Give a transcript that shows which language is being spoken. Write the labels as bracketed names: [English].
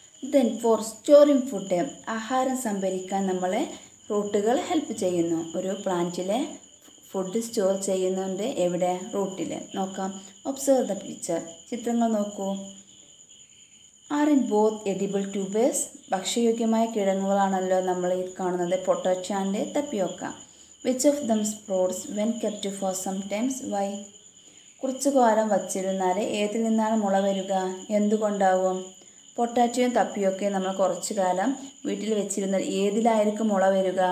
[Malayalam] Then four storing food ആഹാരം സംഭരിക്കാൻ നമ്മളെ റൂട്ടുകൾ ഹെൽപ്പ് ചെയ്യുന്നു. ഒരു പ്ലാന്റിലെ ഫുഡ് സ്റ്റോർ ചെയ്യുന്നുണ്ട് എവിടെ? റൂട്ടിൽ. നോക്കാം, [English] observe the picture, [Malayalam] ചിത്രങ്ങൾ നോക്കൂ. [English] Aren't both edible tubers? [Malayalam] ഭക്ഷ്യയോഗ്യമായ കിഴങ്ങുകളാണല്ലോ നമ്മൾ ഈ കാണുന്നത്, പൊട്ടാച്ച and തപ്പിയോക്ക. [English] Which of them sprouts when kept for some times why? [Malayalam] കുറച്ച് കാലം വച്ചിരുന്നാൽ ഏതിൽ നിന്നാണ് മുള വരിക, എന്തുകൊണ്ടാവും? പൊട്ടാറ്റയും തപ്പിയൊക്കെയും നമ്മൾ കുറച്ച് കാലം വീട്ടിൽ വെച്ചിരുന്നാൽ ഏതിലായിരിക്കും മുള വരിക?